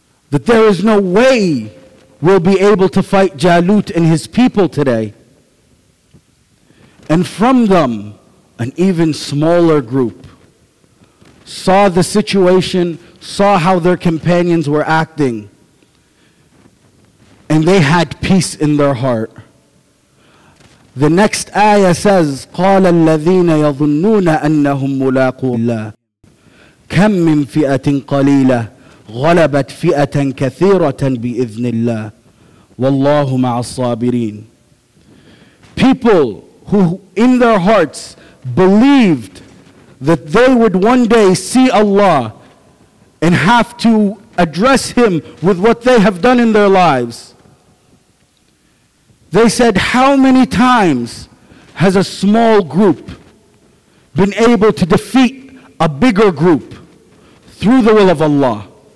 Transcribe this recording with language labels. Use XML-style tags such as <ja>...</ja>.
<en>That there is no way we'll be able to fight Jalut and his people today. And from them, an even smaller group saw the situation, saw how their companions were acting, and they had peace in their heart.</en> <ar>The next ayah says, قَالَ الَّذِينَ يَظُنُّونَ أَنَّهُمْ مُلَاقُوا اللَّهِ كَمْ مِنْ فِئَةٍ قَلِيلَةٍ غَلَبَتْ فِئَةً كَثِيرَةً بِإِذْنِ اللَّهِ وَاللَّهُ مَعَ الصَّابِرِينَ.</ar> <en>People who in their hearts believed that they would one day see Allah and have to address Him with what they have done in their lives, they said, how many times has a small group been able to defeat a bigger group through the will of Allah?</en>